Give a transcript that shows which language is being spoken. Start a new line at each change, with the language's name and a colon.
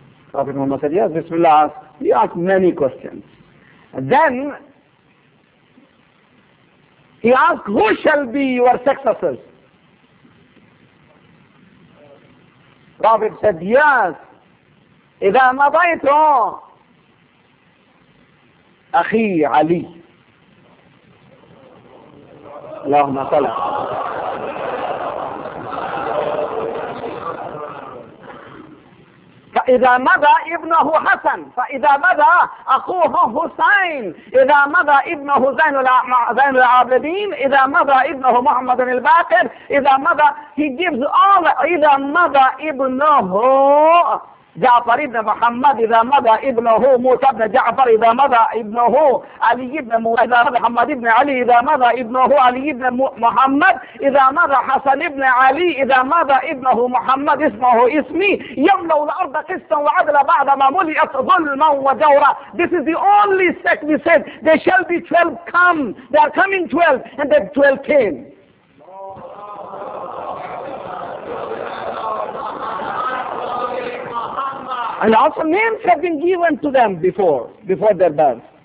English: Prophet Muhammad said, yes, Bismillah, he asked many questions. And then, he asked, who shall be your successors? Prophet said, yes,
Arabic: إِذَا مَضَيْتُ أَخِي
English: Ali.
Arabic: اللهم صل فإذا مضى ابنه حسن فإذا مضى أخوه حسين إذا مضى ابنه زين العابدين إذا مضى ابنه محمد الباقر إذا مضى
English: he gives all
Arabic: إذا مضى ابنه جعفر ابن محمد اذا مضى ابنه موسى ابن جعفر اذا مضى ابنه علي ابن موسى اذا مضى محمد ابن علي اذا مضى ابنه علي ابن محمد اذا مضى حسن ابن علي اذا مضى ابنه محمد اسمه اسمي يملأ الارض قسطا وعدلا بعدما ملئت ظلما وجورا.
English: This is the only sect we said there shall be 12 come, they are coming 12 and then 12 came. And also names have been given to them before their birth.